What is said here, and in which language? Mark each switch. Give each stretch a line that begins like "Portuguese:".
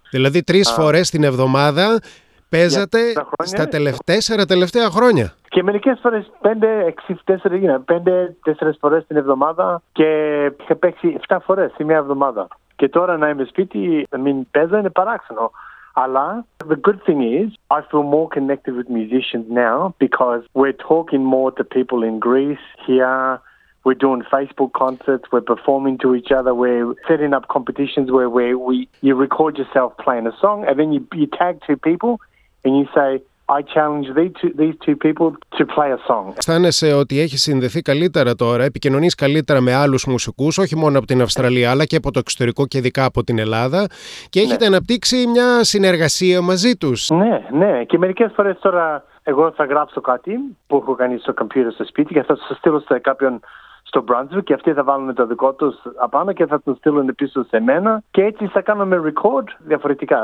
Greek: Δηλαδή τρεις φορές την εβδομάδα παίζατε στα τελευταία χρόνια. Και μερικές φορές, 5-6-4 φορές την εβδομάδα και είχα παίξει 7 φορές σε μια εβδομάδα. Και τώρα να είμαι σπίτι, να μην παίζω, είναι παράξενο.
English: Αλλά, the good thing is, I feel more connected with musicians now because we're talking more to people in Greece, here. We're doing Facebook concerts, we're performing to each other, we're setting up competitions where you record yourself playing a song and then you tag two people and you say, I challenge these two people to play a song.
Greek: Αισθάνεσαι ότι έχεις συνδεθεί καλύτερα τώρα, επικοινωνείς καλύτερα με άλλους μουσικούς, όχι μόνο από την Αυστραλία αλλά και από το εξωτερικό και ειδικά από την Ελλάδα και έχετε αναπτύξει μια συνεργασία μαζί τους. Ναι, ναι. Και μερικές φορές τώρα εγώ θα γράψω κάτι που έχω κάνει στο computer στο σπίτι και θα σας στείλω σε κάποιον στο Brunswick και αυτοί θα βάλουν το δικό τους απάνω και θα τον στείλουν πίσω σε μένα και έτσι θα κάνουμε record διαφορετικά.